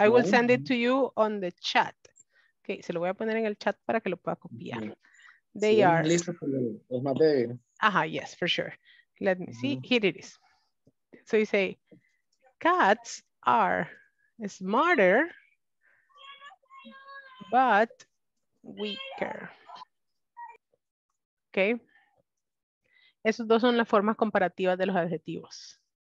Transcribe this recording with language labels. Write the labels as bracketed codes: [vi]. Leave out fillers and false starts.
[en] I will send it to you on the chat. [es] Okay, se lo voy a poner en el chat para que lo pueda copiar. [en] They [es] sí, [en] are [es] es listo, pero es más débil. [en] Ajá, uh-huh, yes, for sure. Let me see, here it is. So you say, cats are smarter, but weaker. Okay. [es] Esos dos son las formas comparativas de los adjetivos.